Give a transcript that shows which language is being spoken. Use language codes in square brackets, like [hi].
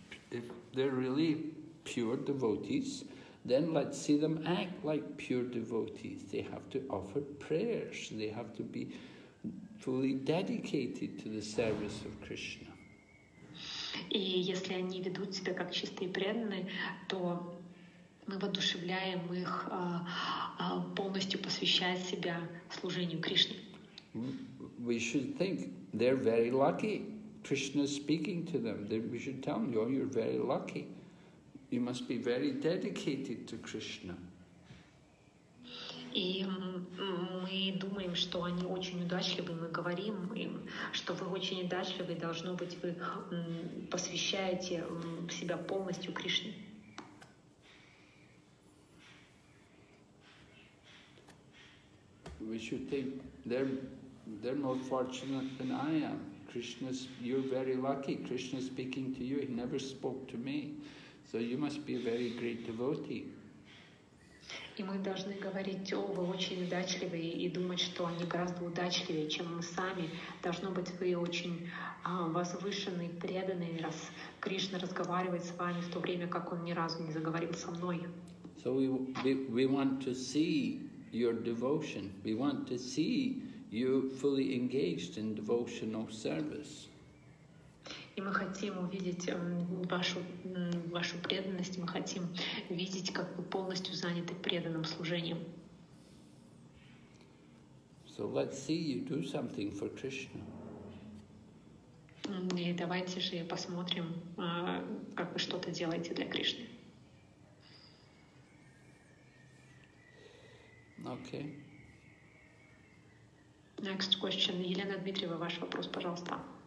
[en] If they're really pure devotees, then let's see them act like pure devotees. They have to offer prayers. They have to be fully dedicated to the service of Krishna. [ru] И если они ведут себя как чистые преданные, то мы воодушевляем их полностью посвящать себя служению Кришне. [en] We should think they're very lucky. Krishna is speaking to them. We should tell them, oh, you're very lucky. You must be very dedicated to Krishna. [ru] И мы думаем, что они очень удачливы, мы говорим им, что вы очень удачливы, должно быть, вы посвящаете себя полностью Кришне. [en] We should think they're more fortunate than I am. Krishna's, you're very lucky. Krishna speaking to you, he never spoke to me. So you must be a very great devotee. [ru] И мы должны говорить, о, вы очень удачливые, и думать, что они гораздо удачливее, чем мы сами. Должно быть, вы очень возвышенные, преданные, раз Кришна разговаривает с вами в то время, как он ни разу не заговорил со мной. [en] So we want to see your devotion. We want to see you fully engaged in devotional service. [ru] И мы хотим увидеть вашу преданность, мы хотим видеть, как вы полностью заняты преданным служением. [en] So let's see you do something for Krishna. [ru] И давайте же посмотрим, как вы что-то делаете для Кришны. [en] Okay. Next question. [ru] Елена Дмитриева, ваш вопрос, пожалуйста.